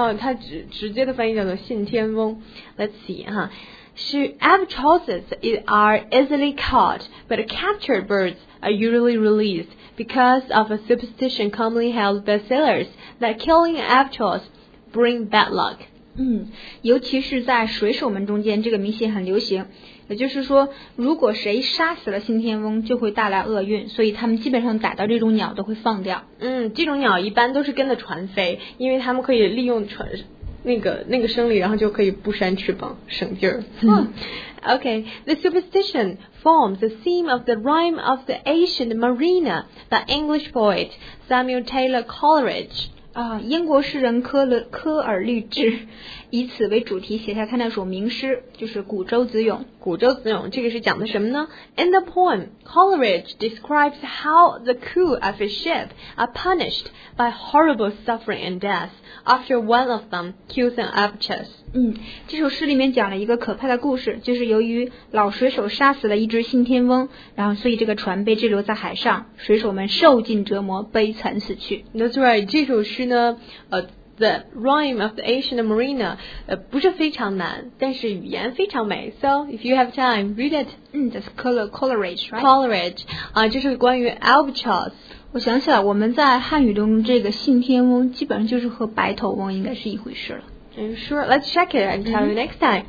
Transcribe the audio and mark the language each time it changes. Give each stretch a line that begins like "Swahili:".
Chinese: 它直接的翻译叫做信天翁。
English: Let's see,
Chinese: 哈，是
English: albatrosses are easily caught, but captured birds are usually released because of a superstition commonly held by sailors that killing albatross bring bad luck.
Chinese: 尤其是在水手们中间，这个迷信很流行。也就是说如果谁杀死了信天翁就会带来厄运，所以他们基本上逮到这种鸟都会放掉。嗯，这种鸟一般都是跟着船飞，因为他们可以利用船那个生理，然后就可以不扇翅膀省劲儿。
English: OK, the superstition forms the theme of the rhyme of the ancient mariner, the English poet Samuel Taylor Coleridge.
Chinese: 啊，英国诗人科尔律治以此为主题写下他那首名诗，就是古舟子咏。古舟子咏，这个是讲的什么呢？
English: In the poem, Coleridge describes how the crew of a ship are punished by horrible suffering and death after one of them kills an albatross.
Chinese: 这首诗里面讲了一个可怕的故事，就是由于老水手杀死了一只信天翁，然后所以这个船被滞留在海上，水手们受尽折磨，悲惨死去。
English: That's right,
Chinese: 这首诗呢The rhyme of the ancient mariner 不是非常难，但是语言非常美。
English: So, if you have time, read it. That's Coleridge, right?
Chinese: Coleridge. 这是关于 albatross。我想起来，我们在汉语中这个信天翁基本上就是和白头翁应该是一回事了。
English: Sure, let's check it and tell you next time.